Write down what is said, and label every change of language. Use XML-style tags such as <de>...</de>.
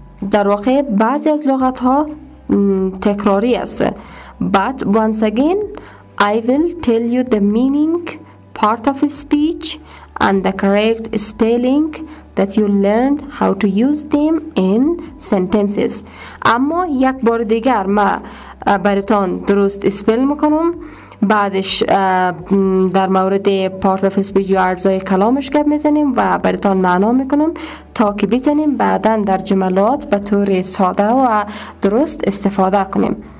<fa>در واقع بعضی از لغت ها تکراری است.</fa> <en>But once again, I will tell you the meaning, part of speech, and the correct spelling that you learned how to use them in sentences.</en> <fa>اما یک بار دیگر ما براتون درست اسپل میکنم. بعدش در مورد part of speech و اجزای کلامش گپ میزنیم و براتون معنا میکنم تا که بزنیم بعدن در جملات به طور ساده و درست استفاده کنیم.</fa>